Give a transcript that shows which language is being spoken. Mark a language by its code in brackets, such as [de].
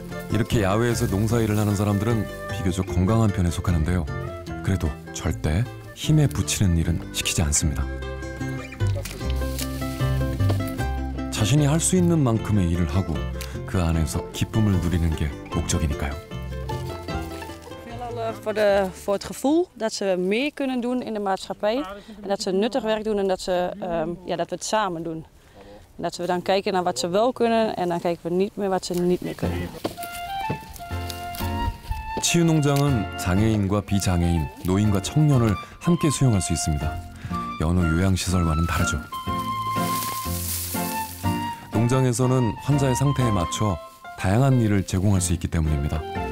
[ko] 이렇게 야외에서 농사일을 하는 사람들은 비교적 건강한 편에 속하는데요. 그래도 절대 힘에 부치는 일은 시키지 않습니다. 자신이 할 수 있는 만큼의 일을 하고 그 안에서 기쁨을 누리는 게 목적이니까요. [nl] Voor, de, voor het gevoel dat ze mee kunnen doen in de maatschappij. En dat ze nuttig werk doen en dat, ze, ja, dat we het samen doen. En dat we dan kijken naar wat ze wel kunnen en dan kijken we niet meer wat ze niet meer kunnen. [ko] 치유농장은 장애인과 비장애인, 노인과 청년을 함께 수용할 수 있습니다. 여느 요양시설과는 다르죠. 농장에서는 환자의 상태에 맞춰 다양한 일을 제공할 수 있기 때문입니다.